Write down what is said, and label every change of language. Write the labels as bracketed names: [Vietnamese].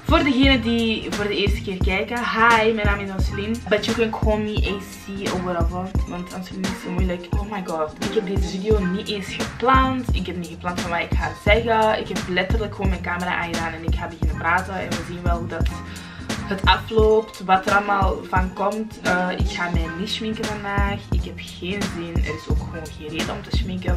[Dutch] Voor degenen die voor de eerste keer kijken. Hi, mijn naam is Ansuline. [English] But you can call me AC or whatever. [Dutch] Want Ansuline is zo moeilijk. [English] Oh my god. [Dutch] Ik heb deze video niet eens gepland. Ik heb niet gepland van wat ik ga zeggen. Ik heb letterlijk gewoon mijn camera aangedaan en ik ga beginnen praten. En we zien wel hoe dat het afloopt. Wat er allemaal van komt. Ik ga mij niet schminken vandaag. Ik heb geen zin. Er is ook gewoon geen reden om te schminken.